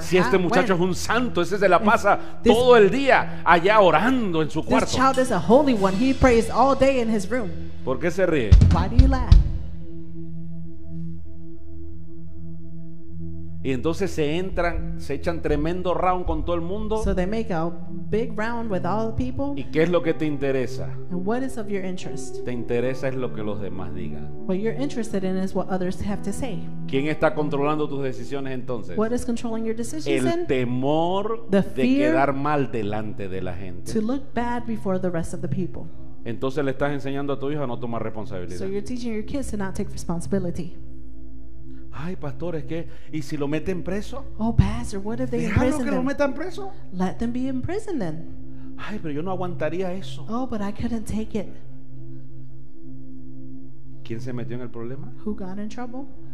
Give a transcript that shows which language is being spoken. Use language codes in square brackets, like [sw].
[es] Si este muchacho es un santo, ese se la pasa todo el día allá orando en su cuarto. [en] This child is a holy one. He prays all day in his room. [es] ¿Por qué se ríe? [en] Why do you laugh? [es] Y entonces se echan tremendo round con todo el mundo. [en] So they make a big round with all the people. [es] ¿Y qué es lo que te interesa? [en] And what is of your interest? [es] Te interesa es lo que los demás digan. [en] What you're interested in is what others have to say. [es] ¿Quién está controlando tus decisiones entonces? [en] What is controlling your decisions? [es] El temor [en] the [es] de quedar mal delante de la gente. [en] To look bad before the rest of the people. [es] Entonces le estás enseñando a tu hijo a no tomar responsabilidad. [en] So you're teaching your kids to not take responsibility. [es] Ay, pastor, es que ¿y si lo meten preso? [en] Oh, pastor, what if they imprison them? [es] Déjalo que lo metan preso. [en] Let them be in prison then. [es] Ay, pero yo no aguantaría eso. [en] Oh, but I couldn't take it. [es] ¿Quién se metió en el problema? [en] Who got in trouble?